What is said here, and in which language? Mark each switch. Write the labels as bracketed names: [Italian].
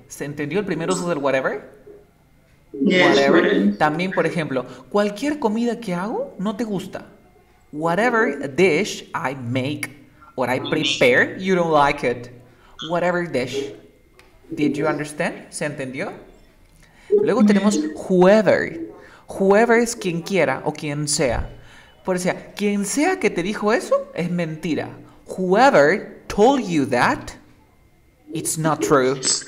[Spanish] ¿Se entendió el primer uso del whatever? [English] Yes, whatever. [Spanish] También, por ejemplo, cualquier comida que hago no te gusta. [English] Whatever dish I make or I prepare, you don't like it. Whatever dish. Did you understand? [Spanish] ¿Se entendió? Luego tenemos whoever. Whoever es quien quiera o quien sea. Por eso, quien sea que te dijo eso es mentira. [English] Whoever told you that, it's not true.